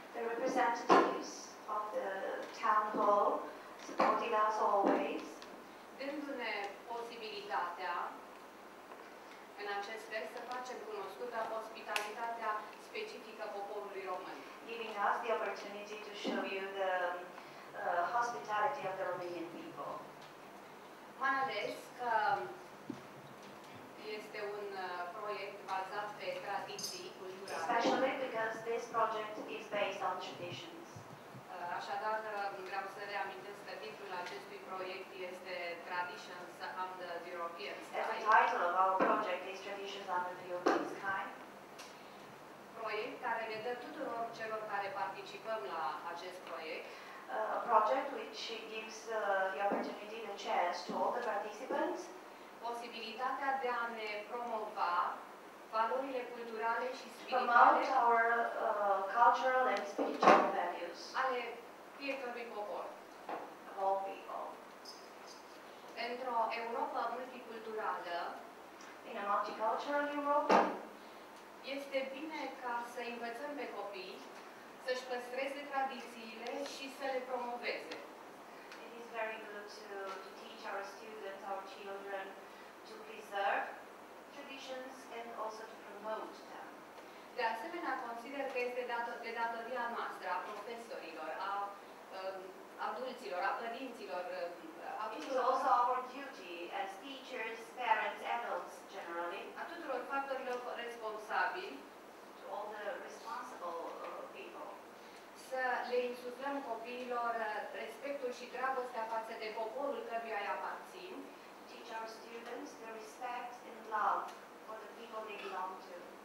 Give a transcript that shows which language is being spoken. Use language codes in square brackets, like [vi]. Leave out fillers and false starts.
[en] The representatives of the town hall supported us always. [ro] Dându-ne posibilitatea în acest fel să facem cunoscută ospitalitatea specifică poporului român. [en] Giving us the opportunity to show you the hospitality of the Romanian people. [ro] Mai ales că este un proiect bazat pe tradiții culturale. [en] Especially because this project is based on traditions. [ro] Așadar, vreau să reamintesc că titlul acestui proiect este Traditions under the European Sky. [en] The title of our project is Traditions under the European Sky. [ro] Proiect care ne dă tuturor celor care participăm la acest proiect. [en] A project which gives the opportunity, the chance to all the participants. [ro] Posibilitatea de a ne promova valorile culturale și spirituale. [en] Promote our cultural and spiritual values. [ro] Ale fiecărui popor. [en] Of all people. [ro] Într-o Europa multiculturală. [en] In a multicultural Europe. [ro] Este bine ca să învățăm pe copii să-și păstreze tradițiile și să le promoveze. [en] It is very good to teach our students, our children, to preserve traditions and also to promote them. [ro] De asemenea, consider că este de datoria noastră, a profesorilor, a adulților, a părinților. [en] It is also our duty as teachers, parents, adults generally. [ro] A tuturor factorilor responsabili. [en] To all the responsible people. [ro] Să le insuflăm copiilor respectul și dragostea față de poporul căruia îi aparțin. [en] Teach our students the respect and love for the people they belong to.